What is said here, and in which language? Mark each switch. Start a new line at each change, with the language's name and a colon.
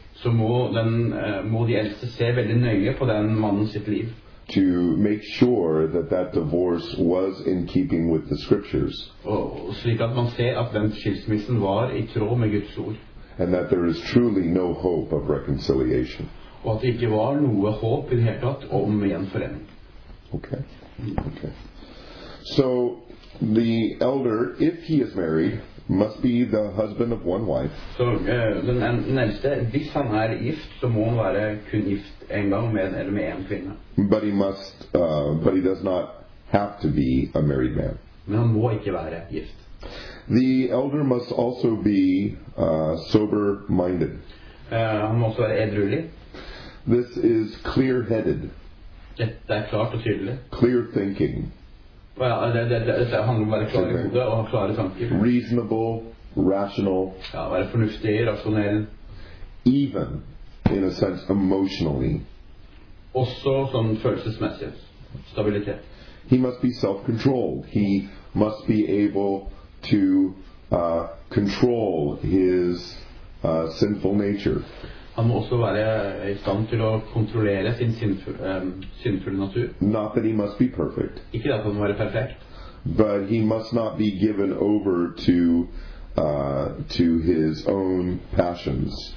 Norwegian: Så må de eldste se veldig nøye på den mannen sitt liv.
English: To make sure that that divorce was in keeping with the scriptures.
Norwegian: Slik at man ser at den skilsmissen var I tråd med Guds ord.
English: And that there is truly no hope of reconciliation.
Norwegian: Og at det ikke var noe håp I det hele tatt om gjenforening.
English: Okay. So the elder, if he is married, must be the husband of one wife.
Norwegian: Så den eldste, hvis han gift, så må han være kun gift en gang med eller med en kvinne.
English: But he must, but he does not have to be a married man.
Norwegian: Men han må ikke være gift.
English: The elder must also be sober-minded.
Norwegian: Han må også være edruelig.
English: This is clear-headed.
Norwegian: Dette klart og tydelig.
English: Clear-thinking.
Norwegian: Ja, det handler om å være klar I hodet og ha klare tanker.
English: Reasonable, rational.
Norwegian: Ja, være fornuftig, rasjonell.
English: Even, in a sense, emotionally.
Norwegian: Også sånn følelsesmessig stabilitet.
English: He must be self-controlled. He must be able to control his sinful nature.
Norwegian: Han må også være I stand til å kontrollere sin sinnfulle natur.
English: Not that he must be perfect.
Norwegian: Ikke at han må være perfekt.
English: But he must not be given over to his own passions.